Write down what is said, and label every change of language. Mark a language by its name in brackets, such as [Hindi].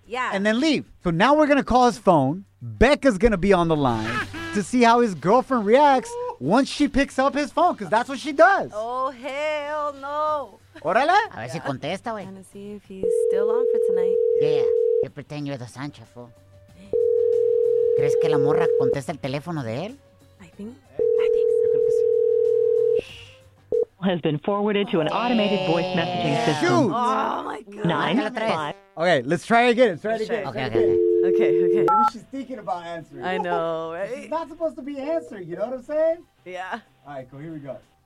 [English] And then leave. So now we're gonna call his phone. Becca's gonna be on the line to see how his girlfriend reacts once she picks up his phone, because that's what she does. Oh, hell no. [Spanish] Órale. A ver si contesta, güey. [English] I'm gonna see if he's still on for tonight. Yeah. You pretend you're the Sancho, fool. [Spanish] ¿Crees que la morra contesta el teléfono de él? [English] I think so. Has been forwarded to an automated voice messaging system. Shoot. Oh, my God. 9-5. Okay, let's try again. Let's try it again. Okay. She's thinking about answering. I know, right? She's not supposed to be answering, you know what I'm saying? Yeah. All right, cool, here we go.